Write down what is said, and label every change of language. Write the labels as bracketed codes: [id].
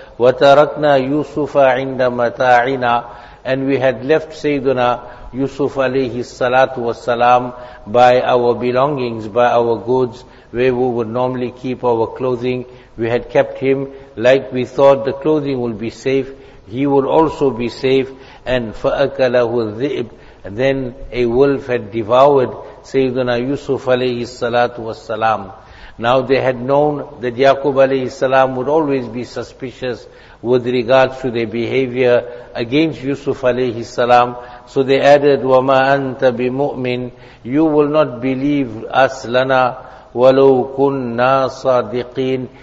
[ar] وَتَرَكْنَا يُوسُفَ عِنْدَ مَتَاعِنَا. [en] And we had left Sayyidina Yusuf alayhi salatu wassalam by our belongings, by our goods, where we would normally keep our clothing. We had kept him like we thought the clothing would be safe. He would also be safe. [ar] And فَأَكَلَهُ الذِّئِبُ. [en] Then a wolf had devoured Sayyidina Yusuf alayhi salatu wassalam. Now they had known that Yaqub alayhi salam would always be suspicious with regards to their behavior against Yusuf alayhi salam. So they added, [ar] وَمَا أَنْتَ بِمُؤْمِنِ. [en] You will not believe us, lana, [ar] وَلَوْ كُنَّا صَادِقِينَ.